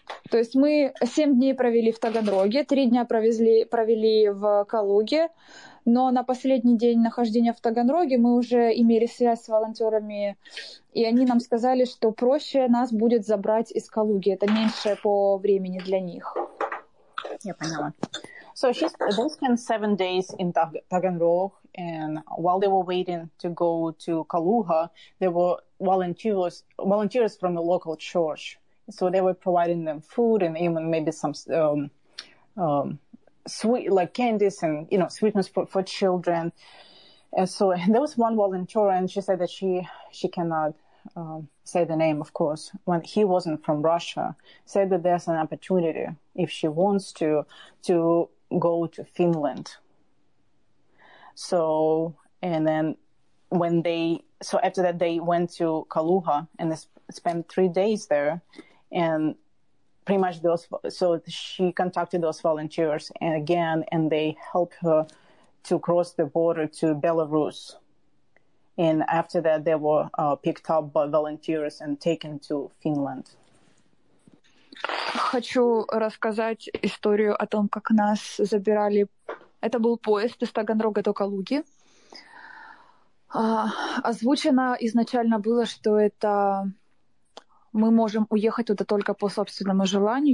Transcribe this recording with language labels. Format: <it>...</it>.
<ru>То есть мы 7 дней провели в Таганроге, 3 дня провели в Калуге, но на последний день нахождения в Таганроге мы уже имели связь с волонтерами, и они нам сказали, что проще нас будет забрать из Калуги. Это меньше по времени для них. Я поняла.</ru> <en>So they spent 7 days in Taganrog, and while they were waiting to go to Kaluga, there were volunteers from the local church. So they were providing them food and even maybe some sweet like candies and you know sweetness for children. And so there was one volunteer, and she said that she cannot say the name, of course, when he wasn't from Russia. Said that there's an opportunity if she wants to go to Finland. So, and then when they, so after that, they went to Kaluga and they spent 3 days there. And pretty much those, so she contacted those volunteers and again, and they helped her to cross the border to Belarus. And after that, they were picked up by volunteers and taken to Finland.</en> <ru>Хочу рассказать историю о том, как нас забирали. Это был поезд из Таганрога до Калуги. Озвучено изначально было, что это мы можем уехать туда только по собственному желанию.</ru>